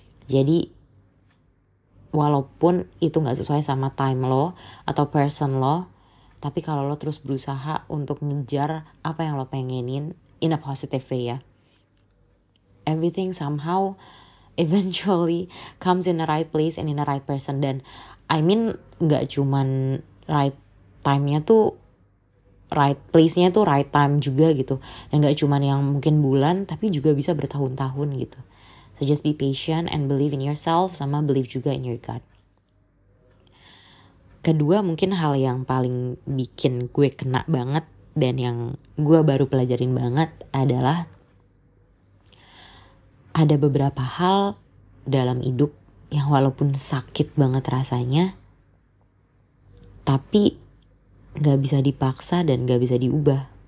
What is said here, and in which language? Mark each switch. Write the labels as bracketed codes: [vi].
[id] Jadi walaupun itu gak sesuai sama time lo atau person lo, tapi kalau lo terus berusaha untuk ngejar apa yang lo pengenin [en] in a positive way [id] ya, [en] everything somehow eventually comes in the right place and in the right person. [id] Dan [en] I mean [id] gak cuman right time-nya tuh, right place-nya tuh right time juga gitu. Dan gak cuman yang mungkin bulan, tapi juga bisa bertahun-tahun gitu. [en] So just be patient and believe in yourself, sama believe juga in your God. [id] Kedua, mungkin hal yang paling bikin gue kena banget dan yang gue baru pelajarin banget adalah ada beberapa hal dalam hidup yang walaupun sakit banget rasanya, tapi gak bisa dipaksa dan gak bisa diubah.